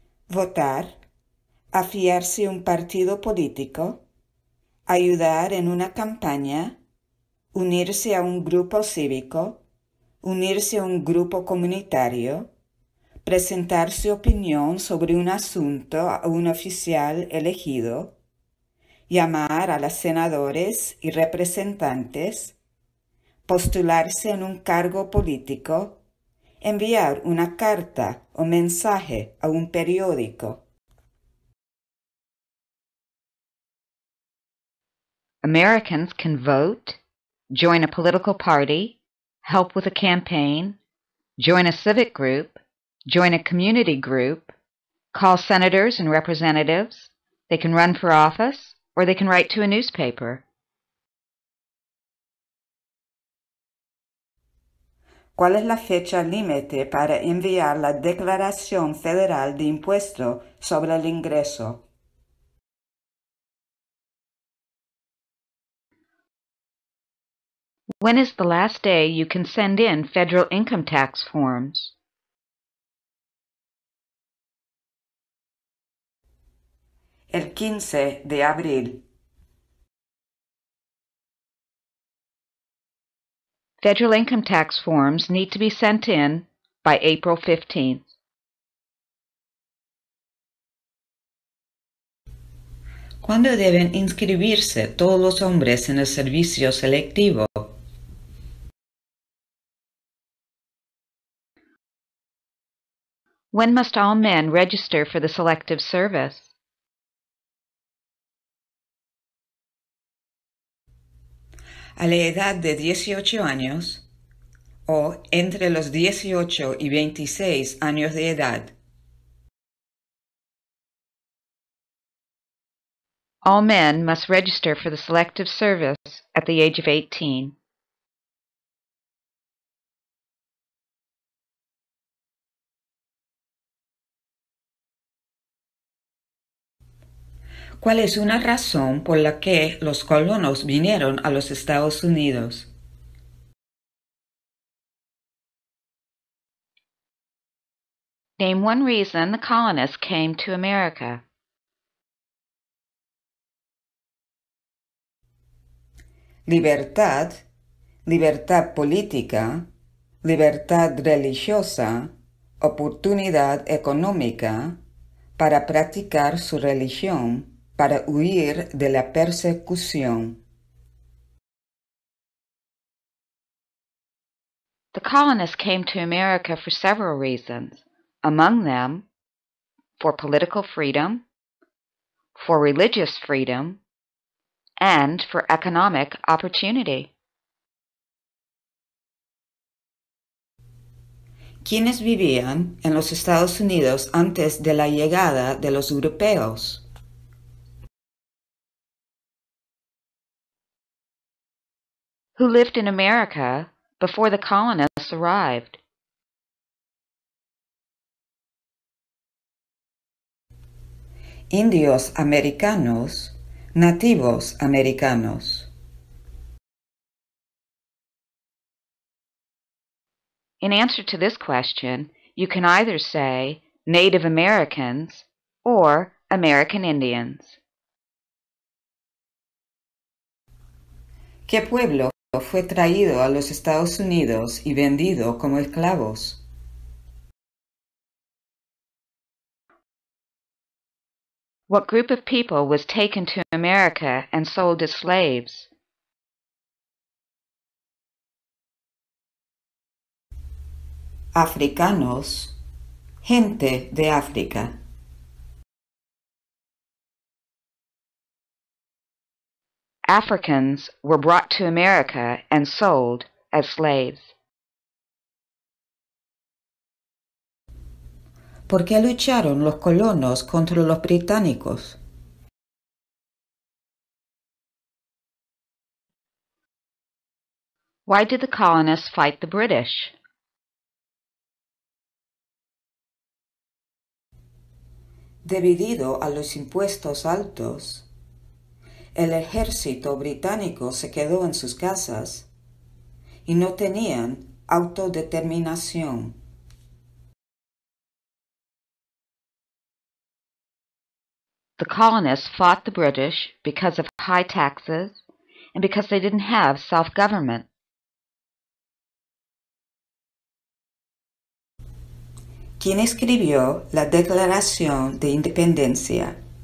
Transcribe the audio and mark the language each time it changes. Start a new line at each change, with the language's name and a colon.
Spanish: Votar, afiliarse a un partido político, ayudar en una campaña, unirse a un grupo cívico, unirse a un grupo comunitario, presentar su opinión sobre un asunto a un oficial elegido, llamar a los senadores y representantes, postularse en un cargo político, enviar una carta o mensaje a un periódico.
English: Americans can vote, join a political party, help with a campaign, join a civic group, join a community group, call senators and representatives, they can run for office, or they can write to a newspaper.
Spanish: ¿Cuál es la fecha límite para enviar la Declaración Federal de Impuesto sobre el Ingreso?
English: When is the last day you can send in federal income tax forms?
Spanish: El 15 de abril.
English: Federal income tax forms need to be sent in by April 15th.
Spanish: ¿Cuándo deben inscribirse todos los hombres en el servicio selectivo?
English: When must all men register for the Selective Service?
Spanish: a la edad de 18 años o entre los 18 y 26 años de edad.
English: All men must register for the Selective Service at the age of 18.
Spanish: ¿Cuál es una razón por la que los colonos vinieron a los Estados Unidos?
English: Name one reason the colonists came to America.
Spanish: Libertad, libertad política, libertad religiosa, oportunidad económica para practicar su religión, para huir de la persecución.
English: The colonists came to America for several reasons, among them, for political freedom, for religious freedom, and for economic opportunity.
Spanish: ¿Quiénes vivían en los Estados Unidos antes de la llegada de los europeos?
English: Who lived in America before the colonists arrived?
Spanish: Indios americanos, nativos americanos.
English: In answer to this question, you can either say Native Americans or American Indians.
Spanish: ¿Qué pueblo fue traído a los Estados Unidos y vendido como esclavos?
English: What group of people was taken to America and sold as slaves?
Spanish: Africanos, gente de África.
English: Africans were brought to America and sold as slaves.
Spanish: ¿Por qué lucharon los colonos contra los británicos?
English: Why did the colonists fight the British?
Spanish: Debido a los impuestos altos, el ejército británico se quedó en sus casas y no tenían autodeterminación.
English: The colonists fought the British because of high taxes and because they didn't have self-government.
Spanish: ¿Quién escribió la Declaración de Independencia?